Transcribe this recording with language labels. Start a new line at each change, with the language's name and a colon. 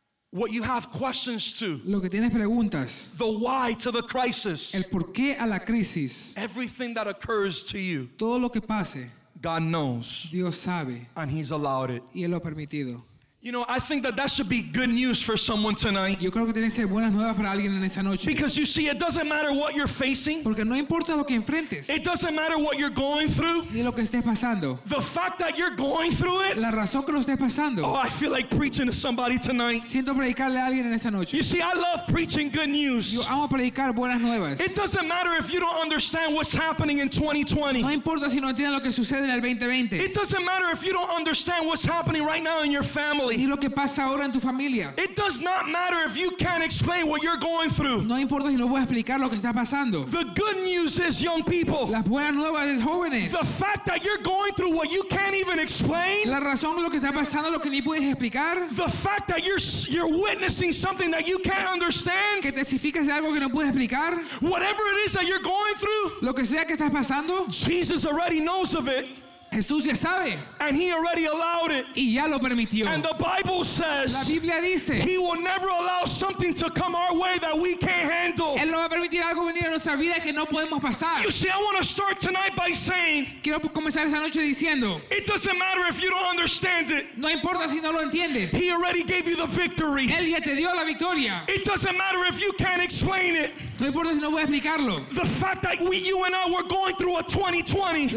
English: what you have questions to,
Spanish: lo que tienes preguntas,
English: the why to the crisis,
Spanish: el por qué a la crisis,
English: everything that occurs to you,
Spanish: todo lo que pase,
English: God knows,
Spanish: Dios sabe,
English: and He's allowed it,
Spanish: y él lo ha permitido.
English: You know, I think that should be good news for someone tonight.
Spanish: Yo creo que tiene que ser buenas nuevas para alguien en esa noche.
English: Because you see, it doesn't matter what you're facing.
Spanish: Porque no importa lo que enfrentes.
English: It doesn't matter what you're going through.
Spanish: Ni lo que estés pasando.
English: The fact that you're going through it.
Spanish: La razón que lo estés pasando.
English: Oh, I feel like preaching to somebody tonight.
Spanish: Siento predicarle a alguien en esa noche.
English: You see, I love preaching good news.
Spanish: Yo amo predicar buenas nuevas.
English: It doesn't matter if you don't understand what's happening in 2020.
Spanish: No importa si no entiendes lo que sucede en el 2020.
English: It doesn't matter if you don't understand what's happening right now in your family.
Spanish: Y lo que pasa ahora en tu familia.
English: It does not matter if you can't explain what you're going through.
Spanish: No importa si no puedes explicar lo que está pasando.
English: The good news is, young people.
Spanish: La buena nueva es, jóvenes.
English: The fact that you're going through what you can't even explain.
Spanish: La razón de lo que está pasando, lo que ni puedes explicar.
English: The fact that you're witnessing something that you can't understand.
Spanish: Que testificas de algo que no puedes explicar.
English: Whatever it is that you're going through.
Spanish: Lo que sea que estás pasando.
English: Jesus already knows of it.
Spanish: Jesús ya sabe.
English: And He already allowed it.
Spanish: Y ya lo permitió.
English: And the Bible says,
Spanish: la Biblia dice,
English: He will never allow something to come our way that we can't handle.
Spanish: Él no va a permitir algo venir a nuestra vida que no podemos pasar.
English: You see, I want to start tonight by saying,
Spanish: quiero comenzar esa noche diciendo,
English: it doesn't matter if you don't understand it.
Spanish: No importa si no lo entiendes.
English: He already gave you the victory.
Spanish: Él ya te dio la victoria.
English: It doesn't matter if you can't explain it.
Spanish: No importa si no puedes explicarlo.
English: The fact that you and I were going through a 2020.